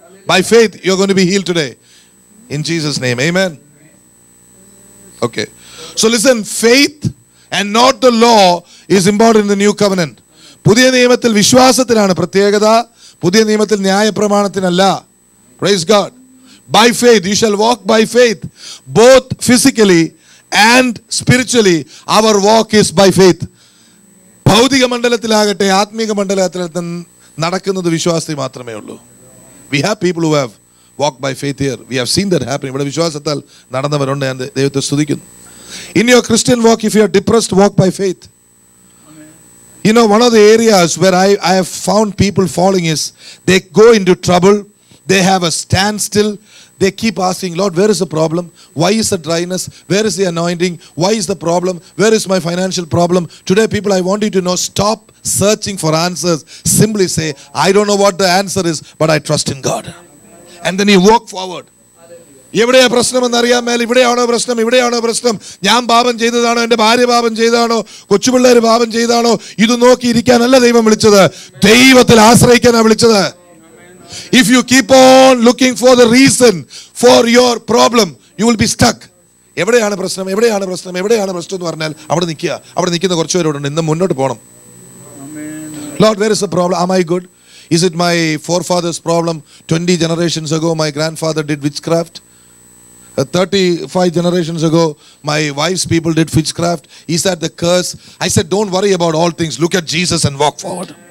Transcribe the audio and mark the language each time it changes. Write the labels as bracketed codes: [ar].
[en] By faith, you're going to be healed today. In Jesus' name, amen. Okay. So listen, faith and not the law is important in the new covenant. [ml] പുതിയ നിയമത്തിൽ വിശ്വാസത്തിലാണ് പ്രത്യേകത, പുതിയ നിയമത്തിൽ ന്യായപ്രമാണത്തിനല്ല. [en] Praise God. By faith, you shall walk by faith. Both physically and spiritually, our walk is by faith. [ml] ഭൗതിക മണ്ഡലത്തിലാകട്ടെ, ആത്മീയ മണ്ഡലത്തിലാകട്ടെ, നടക്കുന്നത് വിശ്വാസത്തിൽ മാത്രമേ ഉള്ളൂ. [en] We have people who have walked by faith here. We have seen that happening. But [ml] vishwasathal nadanavarunde [en] and [ml] devathe stuthikkunnu. [en] In your Christian walk, if you are depressed, walk by faith. Amen. You know, one of the areas where I have found people falling is they go into trouble, they have a standstill, they keep asking, Lord, where is the problem? Why is the dryness? Where is the anointing? Why is the problem? Where is my financial problem? Today, people, I want you to know, stop searching for answers. Simply say, I don't know what the answer is, but I trust in God. And then you walk forward. [ml] എവിടെയാ പ്രശ്നം എന്ന് അറിയാൻ മേൽ, ഇവിടെയാണോ പ്രശ്നം, ഇവിടെയാണോ പ്രശ്നം, ഞാൻ പാപം ചെയ്തതാണോ, എൻ്റെ ഭാര്യ പാപം ചെയ്താണോ, കൊച്ചുപിള്ളേർ പാപം ചെയ്താണോ, ഇത് നോക്കി ഇരിക്കാനല്ല ദൈവം വിളിച്ചത്, ദൈവത്തിൽ ആശ്രയിക്കാനാണ് വിളിച്ചത്. [en] If you keep on looking for the reason for your problem, you will be stuck. [ml] എവിടെയാണ് പ്രശ്നം, എവിടെയാണ് പ്രശ്നം, എവിടെയാണ് പ്രശ്നം എന്ന് പറഞ്ഞാൽ അവിടെ നിൽക്കുക. അവിടെ നിൽക്കുന്ന കുറച്ചുപേരോടുണ്ട്, ഇന്ന് മുന്നോട്ട് പോകണം. [en] Lord, where is the problem? Am I good? Is it my forefather's problem? 20 generations ago, my grandfather did witchcraft. 35 generations ago, my wife's people did witchcraft. Is that the curse? I said, don't worry about all things. Look at Jesus and walk forward.